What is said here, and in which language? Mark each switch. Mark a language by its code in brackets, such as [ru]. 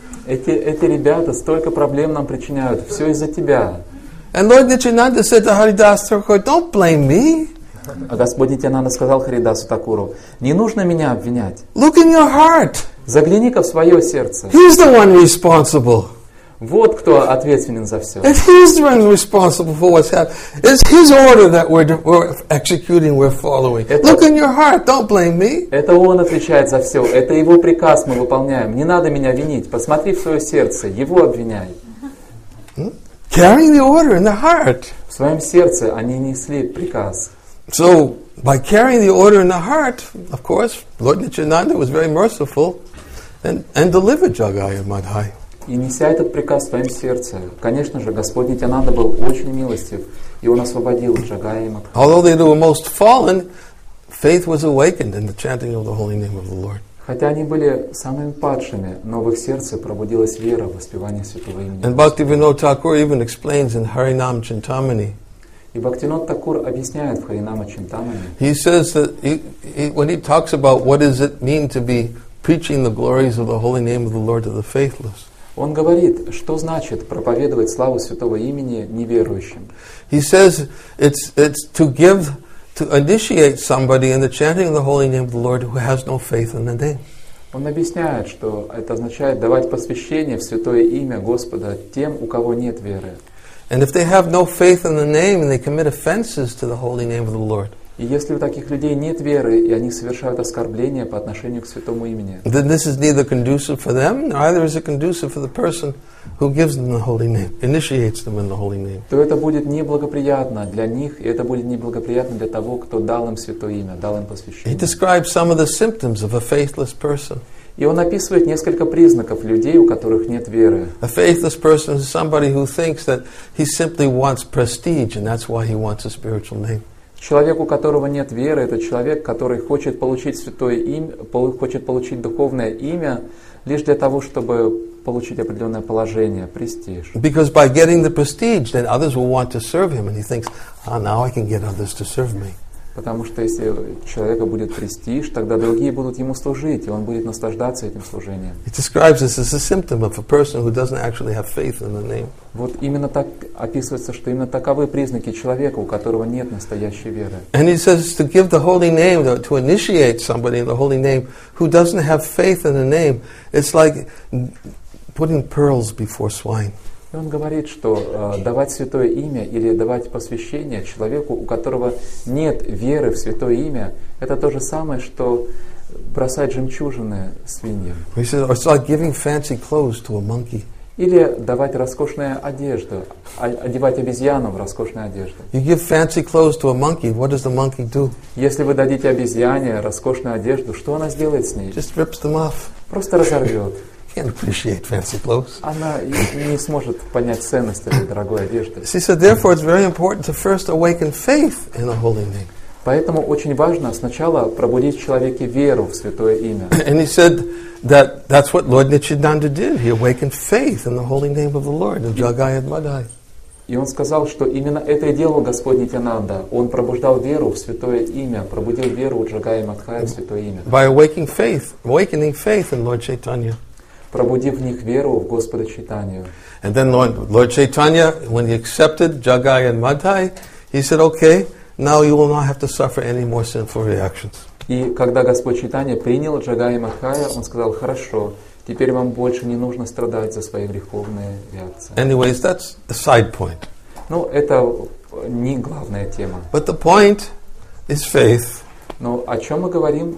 [ru] Эти ребята столько проблем нам причиняют, все из-за тебя. [en] And Lord Nityananda said to Haridas Thakur, don't blame me. [ru] А Господь Нитянанда сказал Харидасу Такуру: не нужно меня обвинять. [en] Look in your heart. [ru] Загляни-ка в свое сердце. [en] He's the one responsible. [ru] Вот кто ответственен за все. [en] If he's the one responsible for what's happened, it's his order that we're executing, we're following. Look in your heart, don't blame me. [ru] Это он отвечает за все. Это его приказ мы выполняем. Не надо меня винить. Посмотри в свое сердце. Его обвиняй. [en] Carrying the order in the heart. [ru] В своем сердце они несли приказ. [en] So by carrying the order in the heart, of course, Lord Nityananda was very merciful and delivered Jagai and Madhai. [ru] И неся этот приказ в своем сердце, конечно же, Господь Нитянанда был очень милостив, и он освободил Джагая и Мадхая. [en] Although they were most fallen, faith was awakened in the chanting of the holy name of the Lord. [ru] Хотя они были самыми падшими, но в их сердце пробудилась вера в воспевание святого имени. [en] And Bhaktivinoda Thakur even explains in Harinam Chintamani. [ru] И Бхактинот Такур объясняет в Харинама Чинтамане. [en] He says that he, when he talks about what does it mean to be preaching the glories of the holy name of the Lord to the faithless. [ru] Он говорит, что значит проповедовать славу святого имени неверующим. [en] He says it's to give, to initiate somebody in the chanting of the holy name of the Lord who has no faith in the name. [ru] Он объясняет, что это означает давать посвящение в святое имя Господа тем, у кого нет веры. [en] And if they have no faith in the name and they commit offenses to the holy name of the Lord. [ru] И если у таких людей нет веры, и они совершают оскорбления по отношению к святому имени. [en] Then this is neither conducive for them, neither is it conducive for the person who gives them the holy name, initiates them in the holy name. [ru] То это будет неблагоприятно для них, и это будет неблагоприятно для того, кто дал им святое имя, дал им посвящение. [en] He describes some of the symptoms of a faithless person. [ru] И он описывает несколько признаков людей, у которых нет веры. [en] A faithless person is somebody who thinks that he simply wants prestige, and that's why he wants a spiritual name. [ru] Человек, у которого нет веры, это человек, который хочет получить святое имя, хочет получить духовное имя лишь для того, чтобы получить определенное положение, престиж. [en] Because by getting the prestige, then others will want to serve him, and he thinks, now I can get others to serve me. [ru] Потому что если у человека будет престиж, тогда другие будут ему служить, и он будет наслаждаться этим служением. [en] It describes this as a symptom of a person who doesn't actually have faith in the name. [ru] Вот именно так описывается, что именно таковы признаки человека, у которого нет настоящей веры. [en] And he says to give the holy name, to initiate somebody in the holy name who doesn't have faith in the name, it's like putting pearls before swine. [ru] И он говорит, что давать святое имя или давать посвящение человеку, у которого нет веры в святое имя, это то же самое, что бросать жемчужины свиньям. [en] He said, it's like giving fancy clothes to a monkey. [ru] Или давать роскошную одежду, одевать обезьяну в роскошную одежду. [en] You give fancy clothes to a monkey, what does the monkey do? [ru] Если вы дадите обезьяне роскошную одежду, что она сделает с ней? [en] Just rips them off. [ru] Просто разорвет. [en] Can't appreciate fancy clothes. [ru] Она не сможет понять ценность этой дорогой одежды. [en] She said, therefore, it's very important to first awaken faith in the holy name. [ru] Поэтому очень важно сначала пробудить в человеке веру в святое имя. [en] And he said that that's what Lord Nityananda did. He awakened faith in the holy name of the Lord, of Jagai and Madhai. [ru] И он сказал, что именно это и делал Господь Нитянанда. Он пробуждал веру в святое имя, пробудил веру у Джагая и Мадхая в святое имя. [en] By awakening faith in Lord Chaitanya. [ru] Пробудив в них веру в Господа Чайтанью. [en] And then Lord Chaitanya, when he accepted Jagai and Madhai, he said, okay, now you will not have to suffer any more sinful reactions. [ru] И когда Господь Чайтанья принял Джагая Махая, он сказал: «Хорошо, теперь вам больше не нужно страдать за свои греховные реакции». [en] Anyways, that's a side point. [ru] Ну, это не главная тема. [en] But the point is faith. [ru] Но о чем мы говорим?